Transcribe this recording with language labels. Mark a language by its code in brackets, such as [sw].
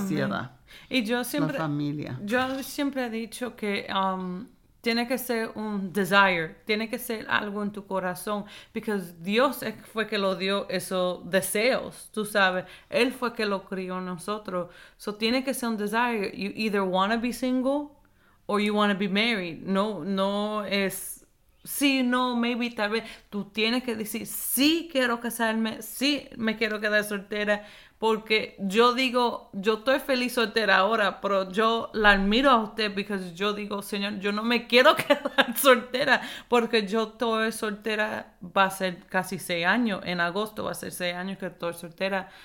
[es] sociedad, Y la familia. yo siempre he dicho que tiene que ser un desire, tiene que ser algo en tu corazón, porque Dios fue que lo dio esos deseos, tú sabes, Él fue que lo crió en nosotros. So tiene que ser un desire. [en] You either want to be single or you want to be married. [es] No, no es sí, no, maybe, tal vez. Tú tienes que decir, sí quiero casarme, sí me quiero quedar soltera. Porque yo digo, yo estoy feliz soltera ahora, pero yo la admiro a usted porque yo digo, Señor, yo no me quiero quedar soltera porque yo estoy soltera, va a ser casi 6 años, en agosto va a ser 6 años que estoy soltera.